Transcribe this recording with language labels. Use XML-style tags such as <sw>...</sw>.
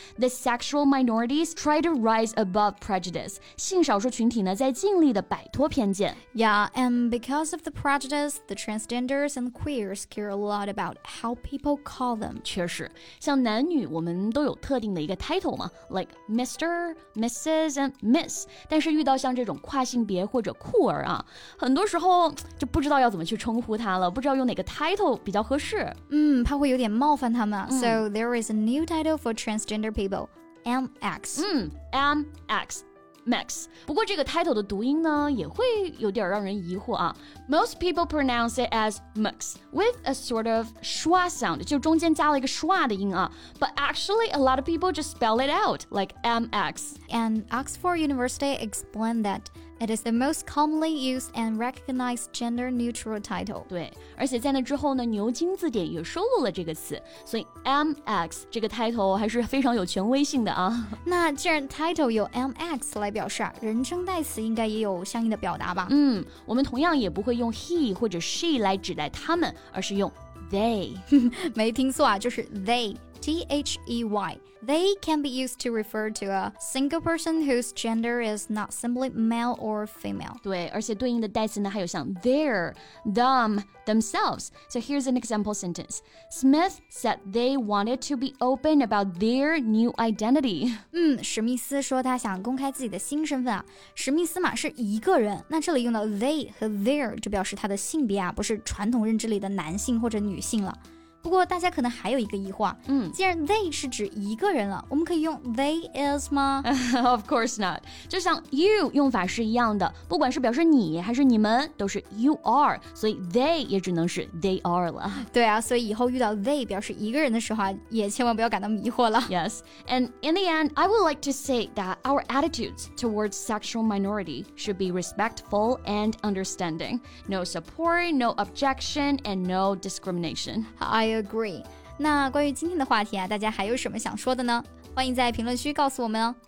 <en>The sexual minorities try to rise above prejudice</en> <zh>性少数群体呢在尽力的摆脱偏见。</zh> <en>Yeah, and because of the prejudice, the transgenders and queers care a lot about how people call them.</en> <zh>确实像男女我们都有特定的一个 title 嘛</zh> <en>Like Mr., Mrs. and Miss</en> <zh>但是遇到像这种跨性别或者酷儿啊，很多时候就不知道要怎么去称呼他了，不知道用哪个 title 比较合适。怕会有点冒犯他们。</zh> <en>So there is a new title for transgender people, MX. MX. Max.</en> <zh>不过这个 title 的读音呢也会有点让人疑惑啊。</zh> <en>Most people pronounce it as Max with a sort of schwa sound,</en> <zh>就中间加了一个 schwa 的音啊。</zh> <en>But actually, a lot of people just spell it out, like MX. And Oxford University explained that it is the most commonly used and recognized gender-neutral title.</en> <zh>对，而且在那之后呢，牛津字典也收录了这个词，所以 MX 这个 title 还是非常有权威性的啊。那既然 title 有 MX 来表示啊，人称代词应该也有相应的表达吧？我们同样也不会用 he 或者 she 来指代他们，而是用 they。没听错啊，就是 they。</zh> <en>T-H-E-Y. They can be used to refer to a single person whose gender is not simply male or female.</en> <zh>对，而且对应的代词呢还有像 their, them, themselves.</zh> <en>So here's an example sentence. Smith said they wanted to be open about their new identity.</en> <zh>史密斯说他想公开自己的新身份啊。史密斯嘛是一个人，那这里用的 they 和 their 就表示他的性别啊，不是传统认知里的男性或者女性了。不过大家可能还有一个疑惑，既然 they 是指一个人了，我们可以用 they is 吗？</zh> <en>Of course not.</en> <zh>就像 you 用法是一样的，不管是表示你还是你们，都是 you are， 所以 they 也只能是 they are 了。对啊，所以以后遇到 they 表示一个人的时候，也千万不要感到迷惑了。</zh> <en>Yes, and in the end, I would like to say that our attitudes towards sexual minority should be respectful and understanding. No support, no objection, and no discrimination. I agree.</en> <zh>那关于今天的话题啊，大家还有什么想说的呢？欢迎在评论区告诉我们哦。</zh>